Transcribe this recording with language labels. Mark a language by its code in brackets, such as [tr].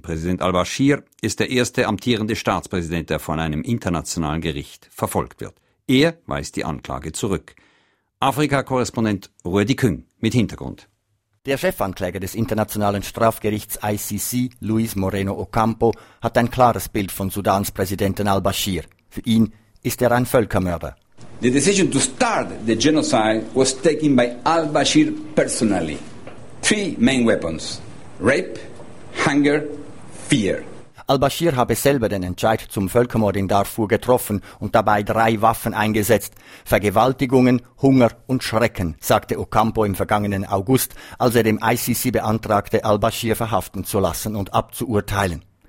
[de] Präsident al-Bashir ist der erste amtierende Staatspräsident, der von einem internationalen Gericht verfolgt wird. Er weist die Anklage zurück. Afrika-Korrespondent Rudi Küng mit Hintergrund. Der Chefankläger des Internationalen Strafgerichts ICC, Luis Moreno Ocampo, hat ein klares Bild von Sudans Präsidenten al-Bashir. Für ihn ist er ein Völkermörder. [en] The decision to start the genocide was taken by al-Bashir personally. Three main weapons: rape, hunger, fear. [de] Al-Bashir habe selber den Entscheid zum Völkermord in Darfur getroffen und dabei drei Waffen eingesetzt. Vergewaltigungen, Hunger und Schrecken, sagte Ocampo im vergangenen August, als er dem ICC beantragte, al-Bashir verhaften zu lassen und abzuurteilen.